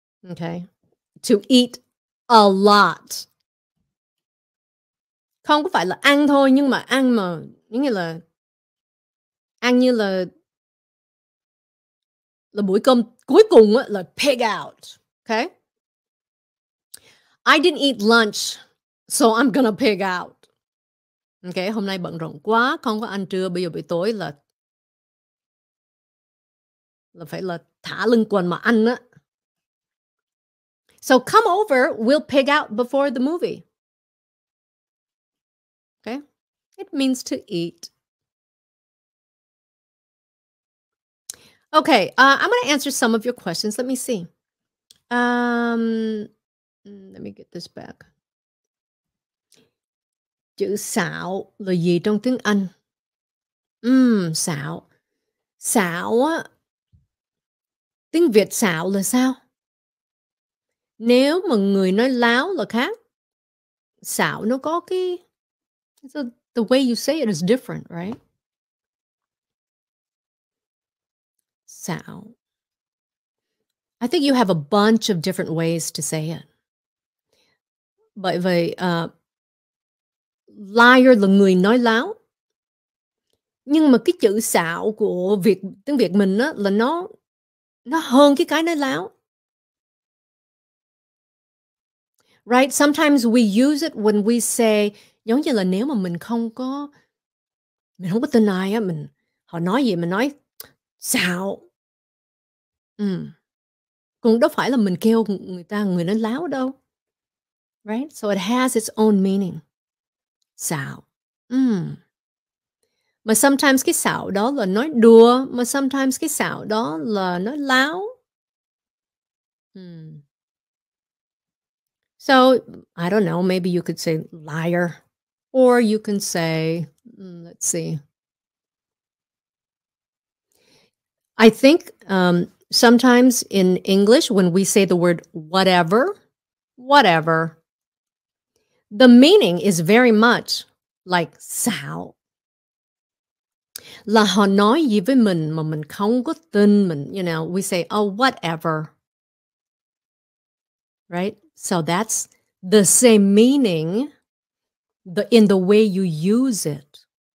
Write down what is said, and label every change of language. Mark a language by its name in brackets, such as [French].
[English] Okay? To eat a lot. [Vietnamese] Không có phải là ăn thôi, nhưng mà ăn mà như là bữa cơm cuối cùng là pig out. [English] Okay? I didn't eat lunch, so I'm gonna pig out. Okay? [Vietnamese] Hôm nay bận rộn quá, không có ăn trưa, bây giờ buổi tối là phải là thả lưng quần mà ăn á. [English] So come over, we'll pig out before the movie. Okay? It means to eat. Okay, I'm going to answer some of your questions. Let me see. Let me get this back. [Vietnamese] Chữ xạo là gì trong tiếng Anh? Xạo. Xạo á. Tiếng Việt xạo là sao? Nếu mà người nói láo là khác. Xạo nó có cái... [English] So the way you say it is different, right? Xạo. I think you have a bunch of different ways to say it. [Vietnamese] Bởi vì liar là người nói láo. Nhưng mà cái chữ xạo của Việt, tiếng Việt mình á, là nó hơn cái nói láo. [English] Right? Sometimes we use it when we say, [Vietnamese] giống như là nếu mà mình không có tin ai á, họ nói gì mình nói xạo. Cũng đâu phải là mình kêu người nói láo đâu. [English] Right? So it has its own meaning. Xạo. [Vietnamese] Mà sometimes cái xạo đó là nói đùa, mà sometimes cái xạo đó là nói láo. [English] So, I don't know, maybe you could say liar. Or you can say, let's see. I think sometimes in English, when we say the word whatever, the meaning is very much like xạo. [Vietnamese] Là họ nói gì với mình mà mình không có tin mình, [English] you know, we say, oh, whatever. Right? So that's the same meaning in the way you use it.